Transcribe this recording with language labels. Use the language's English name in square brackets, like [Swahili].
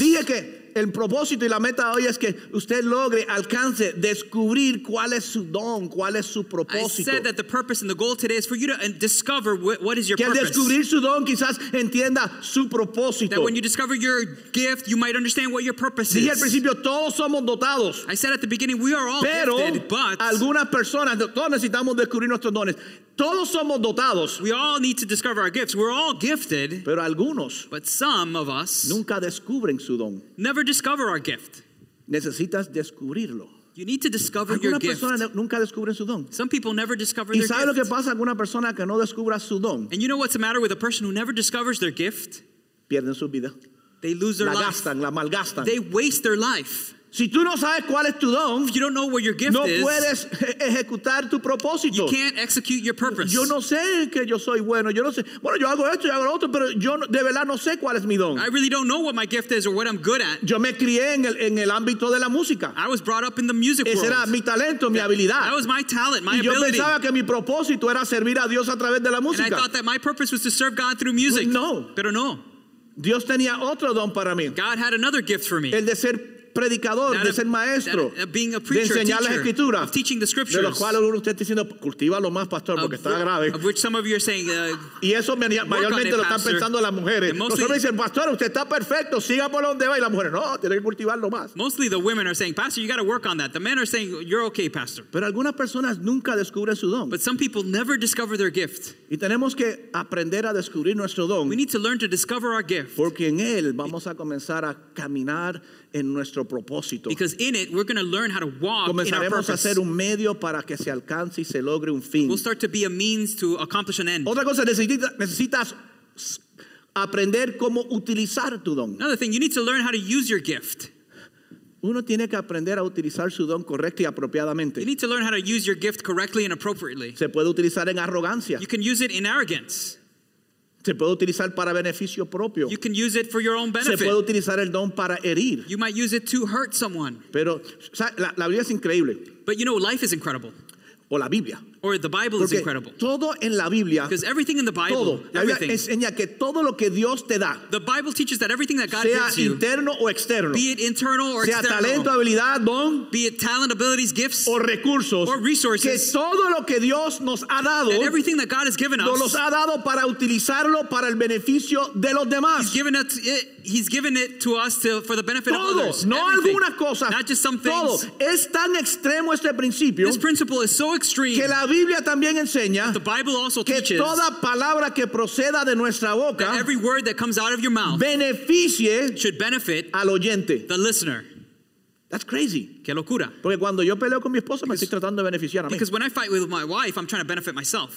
[Spanish] Dije que el propósito y la meta hoy es que usted logre, alcance, descubrir cuál es su don, cuál es su propósito. [English] I said that the purpose and the goal today is for you to discover what is your [Spanish] que Que descubrir su don quizás entienda su propósito. [English] That when you discover your gift, you might understand what your purpose is. [Spanish] Dije al principio, todos somos dotados. [English] I said at the beginning, we are all [Spanish] pero [English] gifted, but [Spanish] algunas personas, todos necesitamos descubrir nuestros dones. Todos somos dotados. [English] We all need to discover our gifts. We're all gifted. [Spanish] Pero algunos, [English] but some of us [Spanish] nunca descubren su don. [English] Never discover our gift. [Spanish] Necesitas descubrirlo. [English] You need to discover your gift. [Spanish] Nunca descubren su don. [English] Some people never discover their gift. [Spanish] ¿Y sabe lo que pasa con una persona que no descubra su don? [English] And you know what's the matter with a person who never discovers their gift? [Spanish] Pierden su vida. [English] They lose their [Spanish] la [English] life. [Spanish] Gastan, la malgastan. [English] They waste their life. [Spanish] Si tú no sabes cuál es tu don, [English] if you don't know what your gift [Spanish] no [English] is, [Spanish] puedes ejecutar tu propósito. [English] You can't execute your purpose. [Spanish] Yo no sé que yo soy bueno. Yo no sé. Bueno, yo hago esto, yo hago lo otro, pero yo de verdad no sé cuál es mi don. [English] I really don't know what my gift is or what I'm good at. [Spanish] Yo me crié en el ámbito de la música. [English] I was brought up in the music [Spanish] ese [English] world. [Spanish] Ese era mi talento, mi habilidad. [English] That was my talent, my [Spanish] y yo [English] ability. [Spanish] Yo pensaba que mi propósito era servir a Dios a través de la música. [English] And I thought that my purpose was to serve God through music. [Spanish] No. Pero no. Dios tenía otro don para mí. [English] God had another gift for me. [Spanish] El de ser predicador, de ser maestro, [English] being a preacher, [Spanish] de enseñar las escrituras, [English] teaching the scriptures, [Spanish] de los cuales uno usted está diciendo, cultiva lo más, pastor, porque está grave. [English] Of which some of you are saying, [Spanish] y eso mayormente lo están pensando las mujeres. Nosotros dicen, pastor, usted está perfecto, siga por donde va. Y las mujeres, no, tiene que cultivarlo más. [English] Mostly the women are saying, pastor, you got to work on that. The men are saying, you're okay, pastor. [Spanish] Pero algunas personas nunca descubren su don. [English] But some people never discover their gift. [Spanish] Y tenemos que aprender a descubrir nuestro don. [English] We need to learn to discover our gift. [Spanish] Porque en él vamos a comenzar a caminar en nuestro propósito. [English] Because in it we're going to learn how to walk in our purpose. [Spanish] A ser un medio para que se alcance y se logre un fin. [English] We'll start to be a means to accomplish an end. [Spanish] Otra cosa, necesitas aprender cómo utilizar tu don. [English] Another thing, you need to learn how to use your gift. [Spanish] Uno tiene que aprender a utilizar su don correcto y apropiadamente. [English] You need to learn how to use your gift correctly and appropriately. [Spanish] Se puede utilizar en arrogancia. [English] You can use it in arrogance. [Spanish] Se puede utilizar para beneficio propio. [English] You can use it for your own benefit. [Spanish] Se puede utilizar el don para herir. [English] You might use it to hurt someone. [Spanish] Pero o sea, la Biblia es increíble. [English] But you know, life is incredible. [Spanish] O la Biblia. [English] Or the Bible [Spanish] porque [English] is incredible. [Spanish] Todo en la Biblia, [English] because everything in the Bible, [Spanish] todo, [English] everything, [Spanish] enseña que todo lo que Dios te da, [English] the Bible teaches that everything that God [Spanish] sea [English] gives [Spanish] interno [English] you, [Spanish] o externo, [English] be it internal or [Spanish] sea [English] external, [Spanish] talento, habilidad, don, [English] be it talent, abilities, gifts, [Spanish] o recursos, [English] or resources, [Spanish] que todo lo que Dios nos ha dado, [English] and everything that God has given us, [Spanish] nos los ha dado para utilizarlo para el beneficio de los demás. [English] He's given us it He's given it to us to, for the benefit [Spanish] todo, [English] of others. [Spanish] No algunas cosas, [English] not just some things. [Spanish] Todo. Es tan extremo este principio, [English] this principle is so extreme [Spanish] que la Biblia también enseña, [English] that the Bible also [Spanish] que [English] teaches [Spanish] toda palabra que proceda de nuestra boca, [English] that every word that comes out of your mouth [Spanish] beneficie [English] should benefit [Spanish] al oyente. [English] The listener. That's crazy. [Spanish] Qué locura. Porque cuando yo peleo con mi esposa, me estoy tratando de beneficiar a mí. [English] Because when I fight with my wife, I'm trying to benefit myself.